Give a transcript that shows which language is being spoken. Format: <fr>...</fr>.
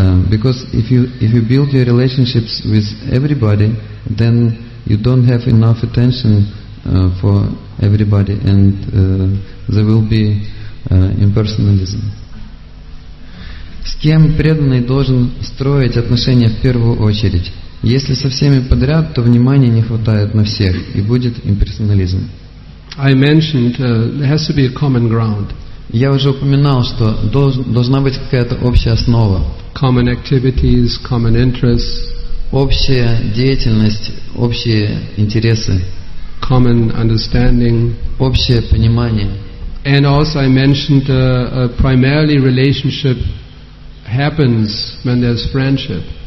<en>Because if you build your relationships with everybody, then you don't have enough attention for everybody, and there will be impersonalism.</en> <ru>С кем преданный должен строить отношения в первую очередь? Если со всеми подряд, то внимания не хватает на всех, и будет имперсонализм.</ru> <en>I mentioned there has to be a common ground.</en> <ru>Я уже упоминал, что должна быть какая-то общая основа.</ru> <en>Common activities, common interests.</en> <ru>Общая деятельность, общие интересы.</ru> <en>Common understanding.</en> <ru>Общее понимание.</ru> <en>And also I mentioned a primarily relationship happens when there's friendship.</en>